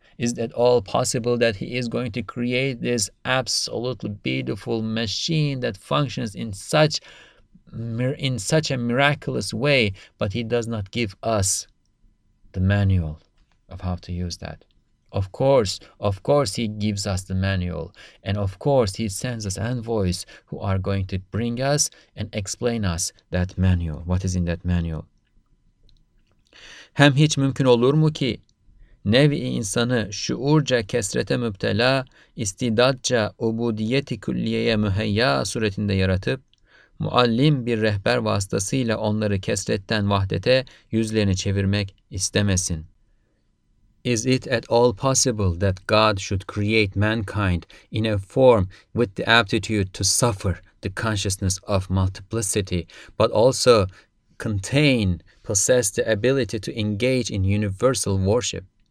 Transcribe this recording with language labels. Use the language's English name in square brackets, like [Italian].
[English] Is it at all possible that He is going to create this absolutely beautiful machine that functions in such a miraculous way, but He does not give us the manual of how to use that? Of course He gives us the manual, and of course He sends us envoys who are going to bring us and explain us that manual, what is in that manual. [Turkish] Hem hiç mümkün olur mu ki nev-i insanı şuurca kesrete müptela, istidatça ubudiyeti külliyeye müheyya suretinde yaratıp muallim bir rehber vasıtasıyla onları kesretten vahdete yüzlerini çevirmek istemesin. [English] Is it at all possible that God should create mankind in a form with the aptitude to suffer the consciousness of multiplicity, but also contain, possess the ability to engage in universal worship?